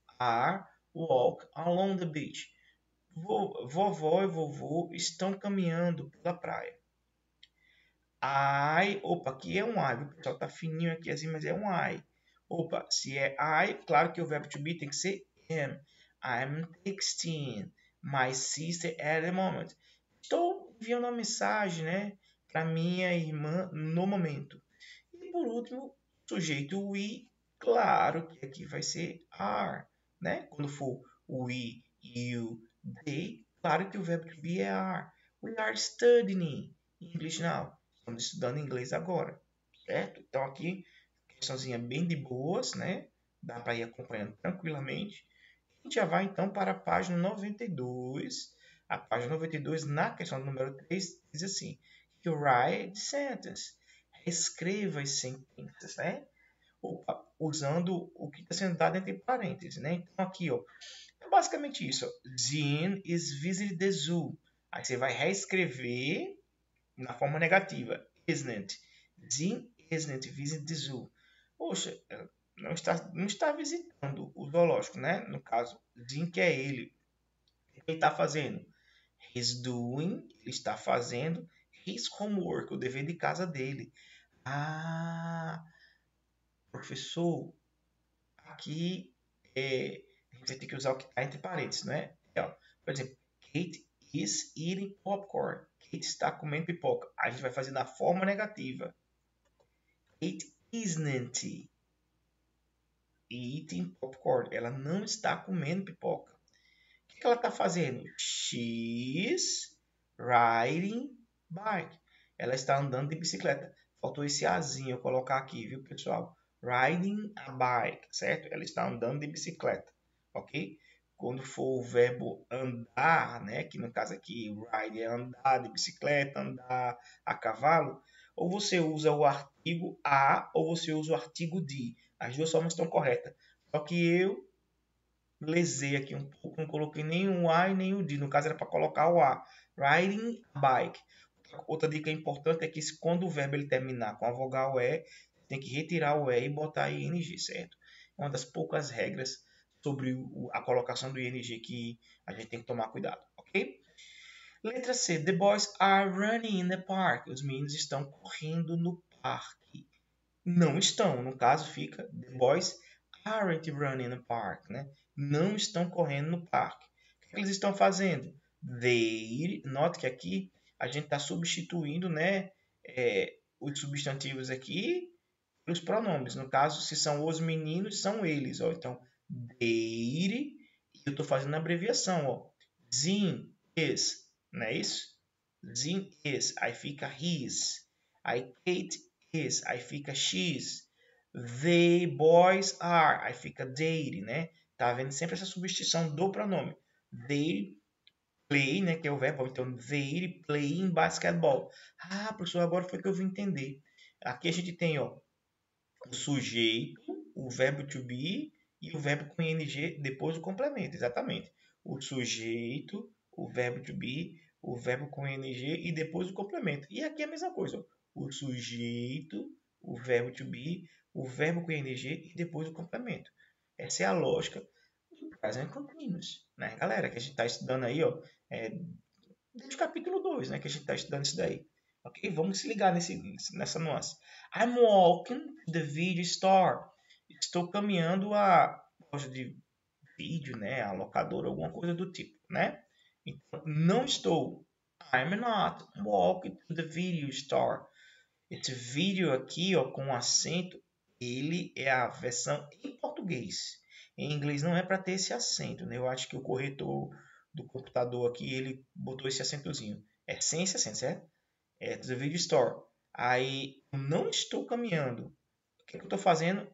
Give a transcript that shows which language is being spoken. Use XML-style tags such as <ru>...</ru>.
<en>Are walk along the beach.</en> <pt>Vovó e vovô estão caminhando pela praia. I. Opa, aqui é um I. O pessoal tá fininho aqui assim, mas é um I. Opa, se é I, claro que o verbo to be tem que ser am.</pt> <en>I'm texting my sister at the moment.</en> <pt>Estou enviando uma mensagem, né, para minha irmã no momento. E por último, sujeito we. Claro que aqui vai ser are, né? Quando for we, you, they, claro que o verbo to be é are.</pt> <en>We are studying English now.</en> <pt>Estamos estudando inglês agora, certo? Então aqui, questãozinha bem de boas, né? Dá para ir acompanhando tranquilamente. A gente já vai então para a página 92. A página 92, na questão número 3, diz assim:</pt> <en>write sentences.</en> <pt>Reescreva as sentenças, né? Opa, usando o que está sendo dado entre parênteses, né? Então, aqui, ó. É basicamente isso, ó.</pt> <en>Jean is visiting the zoo.</en> <pt>Aí você vai reescrever na forma negativa.</pt> <en>Isn't. Jean isn't visiting the zoo.</en> <pt>Poxa, não está visitando o zoológico, né? No caso, Jean, que é ele. O que ele está fazendo?</pt> <en>He's doing,</en> <pt>ele está fazendo</pt> <en>his homework,</en> <pt>o dever de casa dele. Ah. Professor, aqui a gente vai ter que usar o que está entre parênteses, não é? Então, por exemplo,</pt> <en>Kate is eating popcorn.</en> <pt>Kate está comendo pipoca. A gente vai fazer na forma negativa.</pt> <en>Kate isn't eating popcorn.</en> <pt>Ela não está comendo pipoca. O que ela está fazendo?</pt> <en>She's riding bike.</en> <pt>Ela está andando de bicicleta. Faltou esse azinho eu colocar aqui, viu, pessoal?</pt> <en>Riding a bike,</en> <pt>certo? Ela está andando de bicicleta, ok? quando for o verbo andar, né, que no caso aqui ride é andar de bicicleta, andar a cavalo, ou você usa o artigo a ou você usa o artigo de. As duas formas estão corretas. Só que eu lesei aqui um pouco, não coloquei nem o I nem o D. No caso, era para colocar o A. Riding a bike. Outra dica importante é que quando o verbo ele terminar com a vogal E, tem que retirar o E e botar ING, certo? Uma das poucas regras sobre a colocação do ING que a gente tem que tomar cuidado, ok? Letra C.</pt> <en>The boys are running in the park.</en> <pt>Os meninos estão correndo no parque. Não estão. No caso, fica</pt> <en>The boys aren't running in the park, né?</en> <pt>Não estão correndo no parque. O que eles estão fazendo? Note que aqui a gente está substituindo, né, os substantivos aqui pelos pronomes. No caso, se são os meninos, são eles. Ó. Então, they, eu estou fazendo a abreviação. Ó. Zin is, não é isso? Zin is, aí fica his. Aí Kate is, aí fica she's.</pt> <en>They boys are,</en> <pt>aí fica they, né? Tá vendo sempre essa substituição do pronome.</pt> <en>They play,</en> <pt>né, que é o verbo.</pt> <en>Então, they playing basketball.</en> <pt>Ah, professor, agora foi que eu vim entender. Aqui a gente tem, ó, o sujeito, o verbo to be e o verbo com ing depois do complemento. Exatamente. O sujeito, o verbo to be, o verbo com ing e depois do complemento. E aqui é a mesma coisa, ó. O sujeito, o verbo to be, o verbo com ing e depois do complemento. Essa é a lógica do present continuous, né, galera? Que a gente está estudando aí, ó, desde o capítulo 2, né? Que a gente está estudando isso daí. Ok? Vamos se ligar nessa nuance.</pt> <en>I'm walking to the video store.</en> <pt>Estou caminhando à loja de vídeo, né? A locadora, alguma coisa do tipo, né? Então, não estou.</pt> <en>I'm not walking to the video store.</en> <pt>Esse vídeo aqui, ó, com acento. Ele é a versão em português. Em inglês não é para ter esse acento, né? Eu acho que o corretor do computador aqui, ele botou esse acentozinho. É sem esse acento, certo? É do</pt> <en>video store.</en> <pt>Aí, eu não estou caminhando. O que é que eu estou fazendo?</pt>